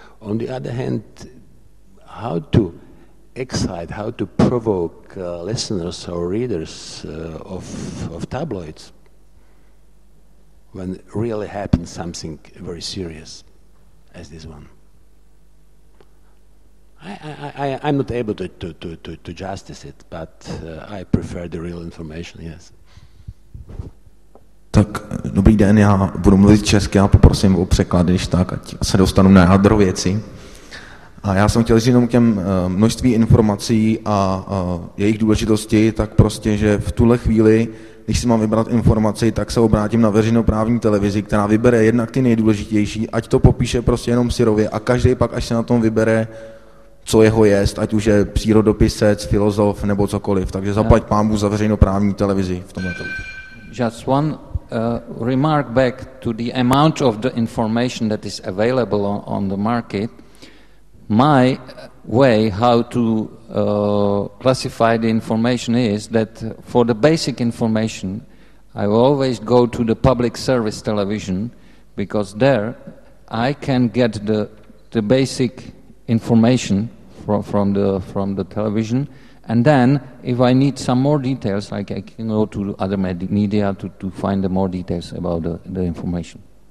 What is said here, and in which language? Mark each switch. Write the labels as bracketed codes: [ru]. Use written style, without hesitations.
[en] On the other hand, how to excite, how to provoke listeners or readers of tabloids when really happens something very serious as this one? I'm not able to justice it, but I prefer the real information, yes. [cs] Tak, dobrý den, já budu mluvit česky a poprosím o překlad, když tak, ať se dostanu na jádro věci. A já jsem chtěl říct jenom těm množství informací a jejich důležitosti, tak prostě, že v tuhle chvíli, když si mám vybrat informaci, tak se obrátím na veřejnoprávní televizi, která vybere jednak ty nejdůležitější, ať to popíše prostě jenom syrově a každý pak, až se na tom vybere, co jeho jest, ať už je přírodopisec, filozof nebo cokoliv. Takže zaplať pánbůh za veřejnoprávní televizi v tomhle tom. [en] Just one remark back to the amount of the information that is available on the market. My way how to classify the information is that for the basic information I will always go to the public service television, because there I can get the basic information from the television, and then if I need some more details, like I can go to other media to find the more details about the information.